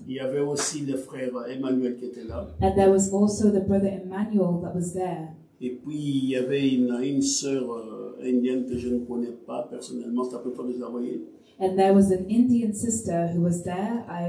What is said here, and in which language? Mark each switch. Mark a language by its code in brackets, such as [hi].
[fr] Il y avait aussi le frère Emmanuel qui était là. [en] And there was also the brother Emmanuel that was there. [fr] Et puis il y avait une sœur indienne que je ne connais pas personnellement, c'est la première fois que je la voyais. [en] And there was an Indian sister who was there.